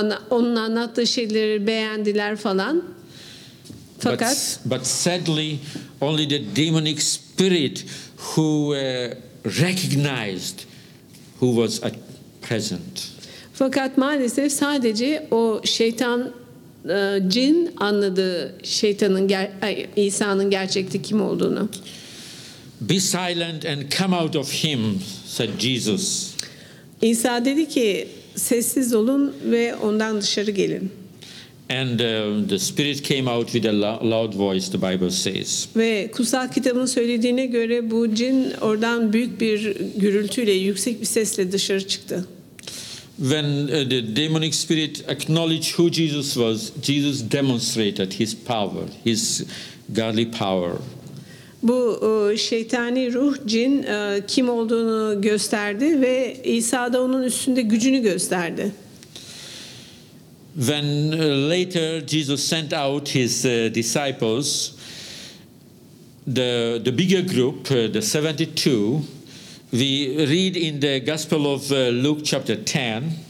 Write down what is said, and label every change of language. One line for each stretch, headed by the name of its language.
Turkish: Onun anlattığı şeyleri beğendiler falan. Fakat
English: but sadly only the demonic spirit who recognized who was at present.
Turkish: Fakat maalesef sadece o şeytan cin anladı şeytanın İsa'nın gerçekte kim olduğunu.
English: Be silent and come out of him, said Jesus.
Turkish: İsa dedi ki sessiz olun ve ondan dışarı gelin.
English: And the spirit came out with a loud voice, the Bible says.
Turkish: Ve kutsal kitabın söylediğine göre bu cin oradan büyük bir gürültüyle yüksek bir sesle dışarı çıktı.
English: When the demonic spirit acknowledged who Jesus was, Jesus demonstrated his power, his godly power.
Turkish: Bu şeytani ruh cin kim olduğunu gösterdi ve İsa da onun üstünde gücünü gösterdi.
English: When later Jesus sent out his disciples, the bigger group, the 72, we read in the Gospel of Luke chapter 10.